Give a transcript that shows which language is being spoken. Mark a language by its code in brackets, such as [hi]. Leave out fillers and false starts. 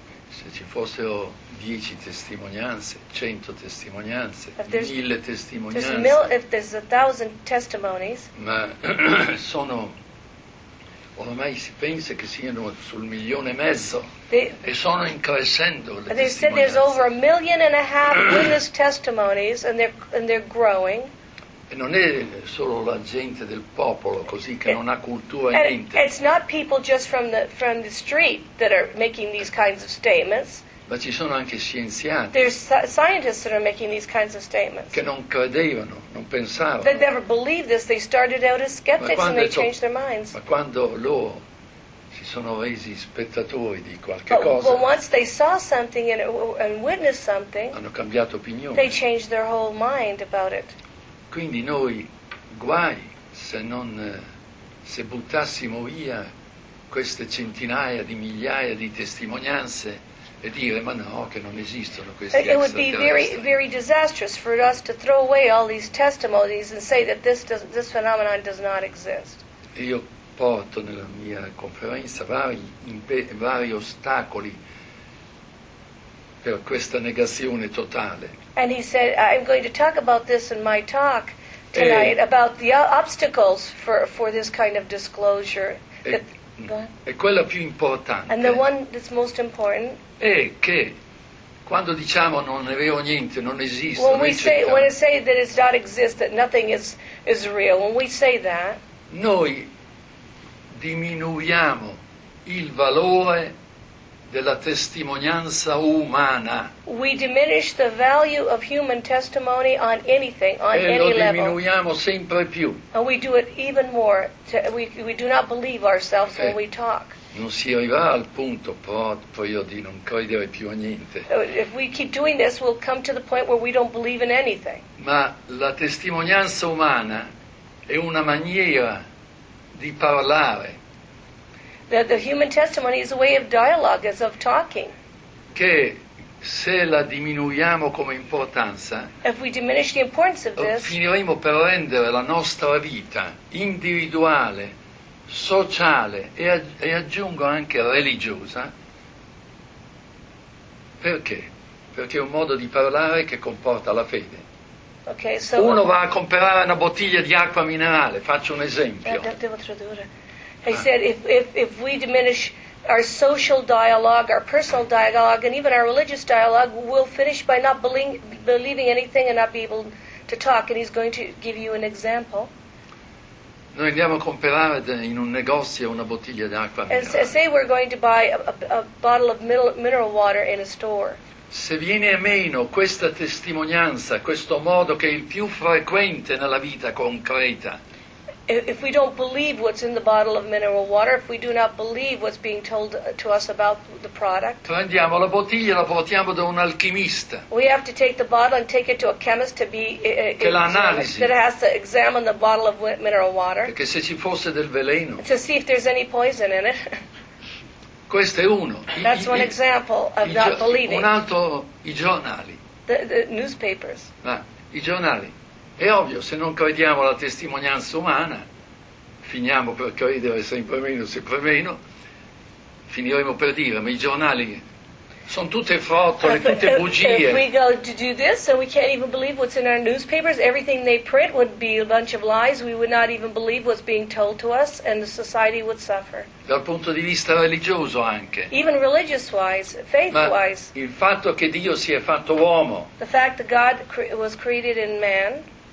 [it] Se ci fossero 10 testimonianze, 100 testimonianze, 1000 testimonianze. [en] If there's 1000 testimonies. [it] Ma sono ormai si pensa che siano sul 1.5 million. E sono in crescendo le testimonianze. [en] They said there's over 1.5 million witness testimonies and they're growing. [it] E non è solo la gente del popolo così che non ha cultura e niente. [en] It's not people just from the street that are making these kinds of statements. [it] Ma ci sono anche scienziati. [en] There's scientists that are making these kinds of statements. [it] Che non credevano, non pensavano. [en] They never believed this. They started out as skeptics and they changed their minds. [it] Ma quando loro si sono resi spettatori di qualche cosa. [en] But once they saw something and witnessed something. [it] Hanno cambiato opinione. [en] They changed their whole mind about it. [it] Quindi noi guai se buttassimo via queste centinaia di migliaia di testimonianze e dire ma no che non esistono questi extraterrestri. [en] It would be very very disastrous for us to throw away all these testimonies and say that this phenomenon does not exist. [it] Io porto nella mia conferenza vari ostacoli per questa negazione totale. [en] And he said, I'm going to talk about this in my talk tonight, about the obstacles for this kind of disclosure. [it] E quella più importante. [en] And the one that's most important. [it] È che Quando diciamo non ne vedo niente, non esiste. [en] When we say that it does not exist, that nothing is real, when we say that, [it] noi diminuiamo il valore della testimonianza umana. [en] We diminish the value of human testimony on anything, on any level. E lo diminuiamo sempre più. And we do it even more. We do not believe ourselves when we talk. [it] Non si arriva al punto proprio di non credere più a niente. [en] If we keep doing this, we'll come to the point where we don't believe in anything. [it] Ma la testimonianza umana è una maniera di parlare. [en] The human testimony is a way of dialogue, is of talking. [it] Che se la diminuiamo come importanza, [en] if we diminish the importance of this, [it] finiremo per rendere la nostra vita individuale, sociale e aggiungo anche religiosa. Perché? Perché è un modo di parlare che comporta la fede. [en] Okay, so [it] uno va a comprare una bottiglia di acqua minerale, faccio un esempio. Devo tradurre. [en] He said, if we diminish our social dialogue, our personal dialogue, and even our religious dialogue, we'll finish by not believing anything and not be able to talk. And he's going to give you an example. [it] Noi andiamo a comprare in un negozio una bottiglia d'acqua minerale. [en] And say we're going to buy a bottle of mineral water in a store. [it] Se viene a meno questa testimonianza, questo modo che è il più frequente nella vita concreta, [en] if we don't believe what's in the bottle of mineral water, if we do not believe what's being told to us about the product, [it] prendiamo la bottiglia e la portiamo da un alchimista. [en] We have to take the bottle and take it to a chemist to be [it] che l'analisi, [en] that has to examine the bottle of mineral water. [it] Perché se ci fosse del veleno, [en] to see if there's any poison in it. [it] Questo è uno. [en] That's one example of not believing. [it] Un altro, i giornali. [en] The newspapers. [it] I giornali. È ovvio, se non crediamo alla testimonianza umana, finiamo per credere sempre meno, sempre meno, finiremo per dire, ma i giornali sono tutte frottole, tutte bugie. [en] If we go to do this, so we can't even believe what's in our newspapers, everything they print would be a bunch of lies, we would not even believe what's being told to us, and the society would suffer. [it] Dal punto di vista religioso anche. [en] Even religious-wise, faith-wise. [it] Ma il fatto che Dio sia fatto uomo. [en] The fact that God was created in man.